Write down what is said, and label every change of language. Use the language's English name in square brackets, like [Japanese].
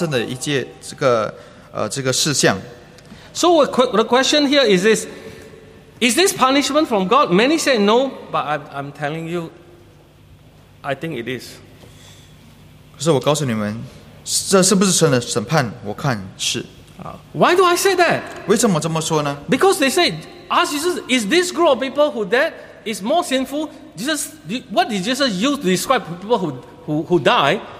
[Chinese] 或者有些人说这个是自然的灾害，不是神做的。这个是自然界所发生的一件这个事项。 [English] So the question here is this: is this punishment from God? Many say no, but I'm telling you, I think it is. [Chinese] 可是我告诉你们，这是不是神的审判？我看是。 [English] Why do I say that? [Chinese] 为什么这么说呢? [English] Because they say, ask Jesus, is this group of people who dead is more sinful? Jesus, what did Jesus use to describe people who die?